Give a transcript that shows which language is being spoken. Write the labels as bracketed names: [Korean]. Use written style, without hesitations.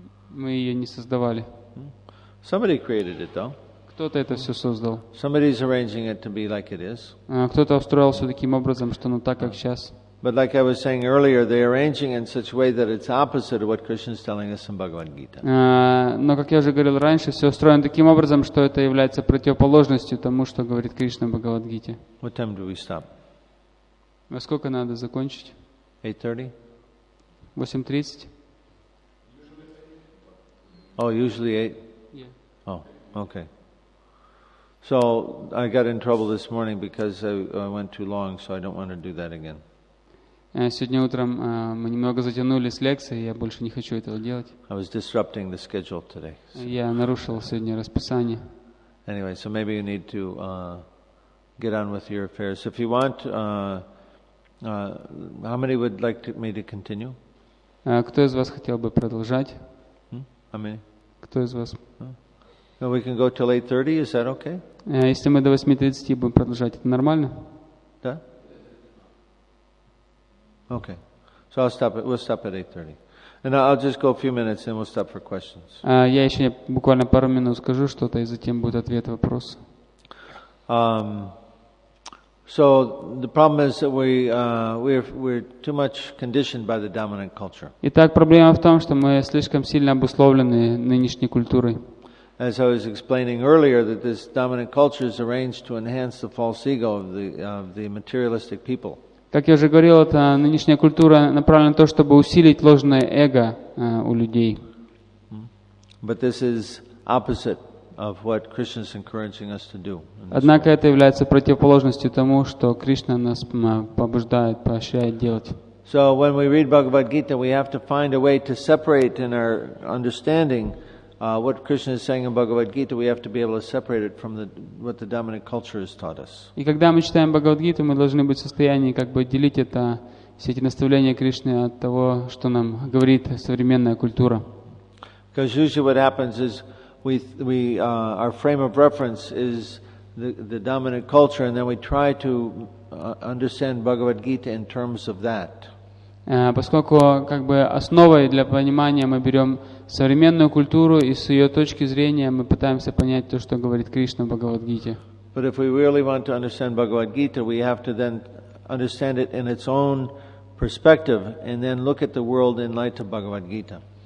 [Russian] Мы ее не создавали. [English] Somebody created it, though. [Russian] Кто-то это все создал. [English] Somebody's arranging it to be like it is. [Russian] Кто-то устроил все таким образом, что оно так, как сейчас. [English] But like I was saying earlier, they're arranging in such a way that it's opposite of what Krishna's telling us in Bhagavad Gita. [Russian] Но как я уже говорил раньше, все устроено таким образом, что это является противоположностью тому, что говорит Кришна в Бхагавад Гите. [English] What time do we stop? [Russian] Во сколько надо закончить? [English] 8:30. 8:30. Oh, usually 8. Yeah. Oh, okay. So I got in trouble this morning because I went too long, so I don't want to do that again. [Russian] Сегодня утром мы немного затянули с лекцией, я больше не хочу этого делать. [English] I was disrupting the schedule today. [Russian] Я нарушил сегодня расписание. [English] Anyway, so maybe you need to get on with your affairs. If you want, how many would like me to continue? [Russian] Кто из вас хотел бы продолжать? [English] How many? [Russian] Кто из вас? [English] Well, we can go till 8:30, is that okay? [Russian] Если мы до 8:30 будем продолжать, это нормально? Да. [English] Okay, so I'll stop. We'll stop at 8:30, and I'll just go a few minutes, and we'll stop for questions. [Russian] Я еще буквально пару минут скажу что-то, и затем будет ответ вопрос. [English] So the problem is that we're too much conditioned by the dominant culture. [Russian] Итак, проблема в том, что мы слишком сильно обусловлены нынешней культурой. [English] As I was explaining earlier, that this dominant culture is arranged to enhance the false ego of the materialistic people. [Russian] Как я уже говорил, эта нынешняя культура направлена на то, чтобы усилить ложное эго у людей. [English] But this is opposite of what Krishna's encouraging us to do. [Russian] Однако это является противоположностью тому, что Кришна нас побуждает, поощряет делать. [English] So when we read Bhagavad Gita, we have to find a way to separate in our understanding what Krishna is saying in Bhagavad Gita, we have to be able to separate it from what the dominant culture has taught us. [Russian] И когда мы читаем Бхагавад Гиту, мы должны быть в состоянии как бы отделить это все эти наставления Кришны от того, что нам говорит современная культура. [English] Because usually what happens is we our frame of reference is the dominant culture, and then we try to understand Bhagavad Gita in terms of that. [Russian] Поскольку как бы основой для понимания мы берем современную культуру, и с ее точки зрения мы пытаемся понять то, что говорит Кришна в Бхагавад-гите. [English] But if we really want to understand Bhagavad-гита, we have to then understand it in its own perspective and then look at the world in light of Bhagavad-гита.